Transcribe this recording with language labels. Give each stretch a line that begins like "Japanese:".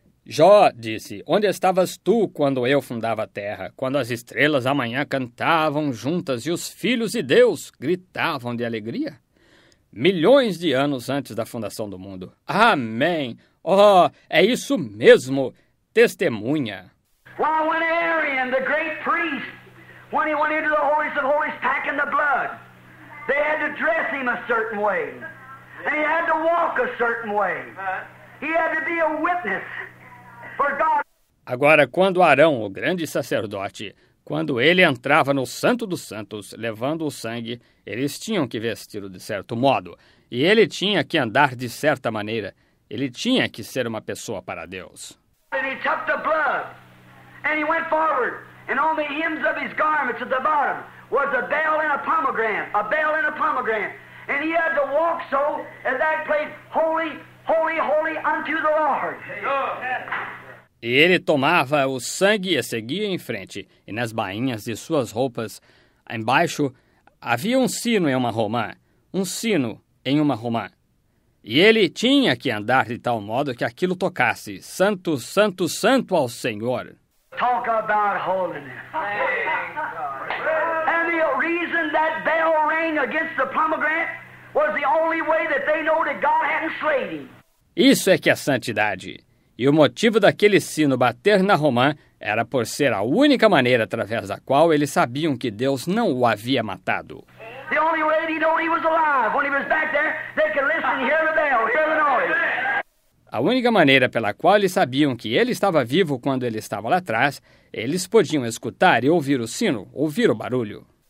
Portuguese: Jó disse, onde estavas tu quando eu fundava a terra, quando as estrelas amanhã cantavam juntas e os filhos de Deus gritavam de alegria? Milhões de anos antes da fundação do mundo. Amém! Oh, é isso mesmo! Testemunha! Quando Arian, o grande
English: priest,
Portuguese: quando ele entrou no
English: Holy of Holies, packing the blood, they had to dress him a certain way. And he had to walk a certain way. He had to be a witness for God.
Portuguese: Agora, quando Arão, o grande sacerdote, quando ele entrava no Santo dos Santos, levando o sangue, eles tinham que vestir-o de certo modo. E ele tinha que andar de certa maneira. Ele tinha que ser uma pessoa para Deus.
English: And he took the blood, and he went forward, and on the hems of his garments at the bottom was a bell and a pomegranate, a bell and a pomegranate. And he had to walk so as that place holy. Holy, holy unto the Lord.
Portuguese: E ele tomava o sangue e seguia em frente. E nas bainhas de suas roupas, embaixo, havia um sino em uma romã. Um sino em uma romã. E ele tinha que andar de tal modo que aquilo tocasse. Santo, santo, santo ao Senhor.
English: Talk about holiness. And the reason that bell rang against the pomegranate was the only way that they know that God hadn't slain him.
Portuguese: Isso é que é santidade. E o motivo daquele sino bater na romã era por ser a única maneira através da qual eles sabiam que Deus não o havia matado.
English: The only way they know he was alive when he was back there, they could listen, hear the bell, hear the noise.
Portuguese: A única maneira pela qual eles sabiam que ele estava vivo quando ele estava lá atrás, eles podiam escutar e ouvir o sino, ouvir o barulho.